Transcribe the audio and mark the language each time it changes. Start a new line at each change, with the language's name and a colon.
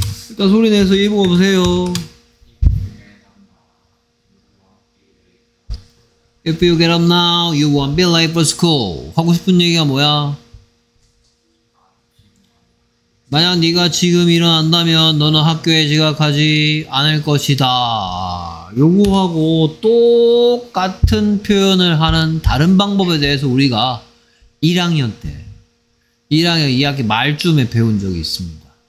Korean: 일단 소리 내서 입어 보세요.
English: If you get up now, you won't be late for school.
Korean: 하고 싶은 얘기가 뭐야? 만약 네가 지금 일어난다면 너는 학교에 지각하지 않을 것이다. 요거하고 똑같은 표현을 하는 다른 방법에 대해서 우리가 1학년 때 1학년 2학기 말쯤에 배운 적이 있습니다.